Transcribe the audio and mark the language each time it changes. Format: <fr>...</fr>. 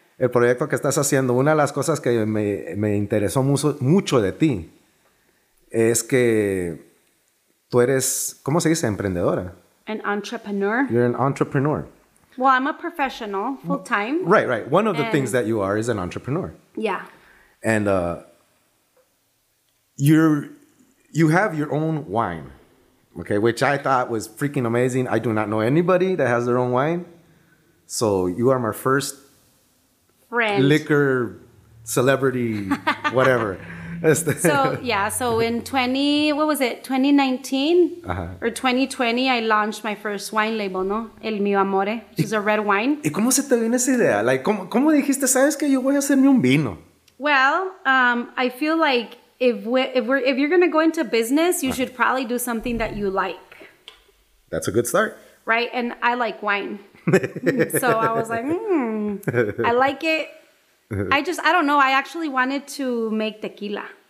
<es>El proyecto que estás haciendo, una de las cosas que me interesó mucho de ti es que tú eres, ¿cómo se dice? Emprendedora.</es> <en>An entrepreneur. You're an entrepreneur. Well, I'm a professional full time. Right, right. One of the things that you are is an entrepreneur. Yeah. And you have your own wine, okay, which I thought was freaking amazing. I do not know anybody that has their own wine. So you are my first friend, liquor celebrity, whatever. So in 2019 uh-huh. or 2020, I launched my first wine label, no? El Mio Amore, which is a red wine.</en> <es>¿Y cómo se te viene esa idea? Like, ¿cómo dijiste, sabes que yo voy a hacerme un vino?</es> <en>Well, I feel like if you're going to go into business, you should probably do something that you like. That's a good start. Right? And I like wine. So I was like, I like it. I don't know. I actually wanted to make tequila.</en>